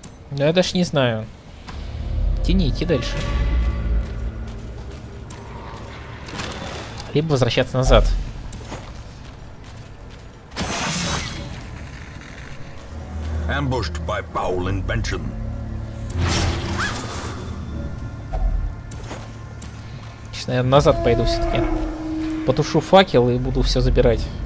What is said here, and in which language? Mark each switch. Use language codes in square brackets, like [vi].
[ru] Но я даже не знаю. Тяни, иди дальше. Либо возвращаться назад. [en] Ambushed by foul invention. [ru] Наверное, назад пойду все-таки. Потушу факел и буду все забирать.